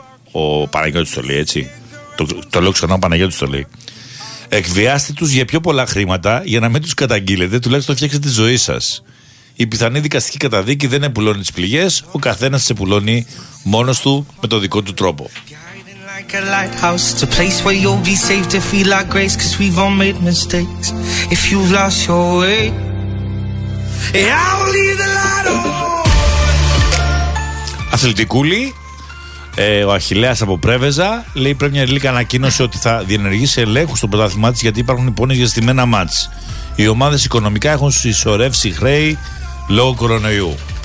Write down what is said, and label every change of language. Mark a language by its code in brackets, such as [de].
[el] Ο Παναγιώτης το λέει έτσι. Το λέω ξανά, ο Παναγιώτης το λέει. Εκβιάστε τους για πιο πολλά χρήματα για να μην τους καταγγείλετε, τουλάχιστον φτιάξετε τη ζωή σας. Η πιθανή δικαστική καταδίκη δεν επουλώνει τις πληγές, ο καθένας τις επουλώνει μόνος του με το δικό του τρόπο. [en] A lighthouse, it's a place where you'll be safe to feel like grace. 'Cause we've all made mistakes. If you've lost your way, I'll leave the light on. [el] Αθλητικούλη, ο Αχιλλέας από Πρέβεζα λέει: πρέπει μια ελληνική ανακοίνωση ότι θα διενεργήσει ελέγχου στο πρωτάθλημά τη γιατί υπάρχουν πόνοι για στημένα μάτς. Οι ομάδες οικονομικά έχουν συσσωρεύσει χρέη λόγω κορονοϊού.